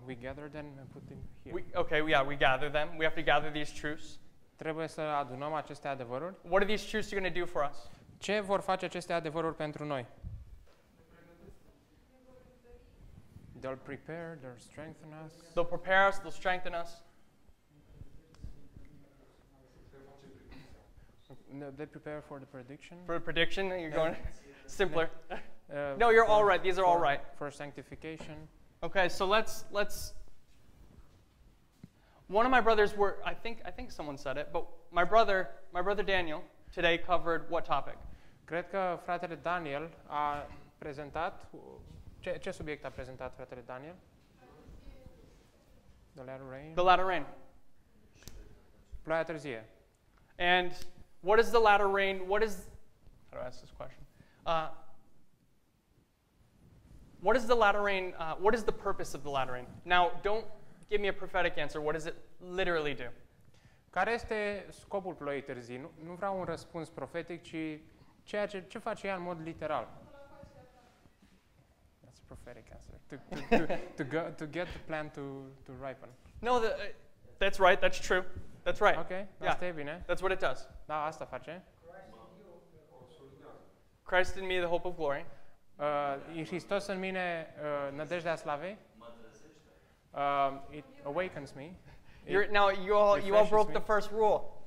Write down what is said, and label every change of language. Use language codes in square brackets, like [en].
[en] We gather them and put them here. We gather them. We have to gather these truths. [ro] Trebuie să adunăm aceste adevăruri. [en] What are these truths going to do for us? [ro] Ce vor face aceste adevăruri pentru noi? [en] They'll prepare, they'll strengthen us. They'll prepare us, they'll strengthen us. No, they prepare for the prediction. For the prediction, you're going simpler. No, you're all right. These are all right. For sanctification. Okay, so let's. One of my brothers were. I think someone said it, but my brother Daniel today covered what topic? [ro] Cred că fratele Daniel a prezentat ce subiect a prezentat fratele Daniel? [en] The latter rain. The latter rain. [ro] Ploaia târzie. [en] And what is the latter rain? What is, how do I ask this question? What is the latter rain? What is the purpose of the latter rain? Now, don't give me a prophetic answer. What does it literally do? [ro] Care este scopul ploii târzii? Nu vreau un răspuns profetic, ci ceea ce, ce face ea în mod literal. [en] That's a prophetic answer. To get the plant to ripen. No, that's right, that's true. That's right. [ro] Okay, asta e bine. [en] That's what it does. [ro] Da, asta face. [en] Christ in me, the hope of glory. [ro] In Hristos în mine, nădejdea slavei. [en] It awakens me. You all broke the first rule.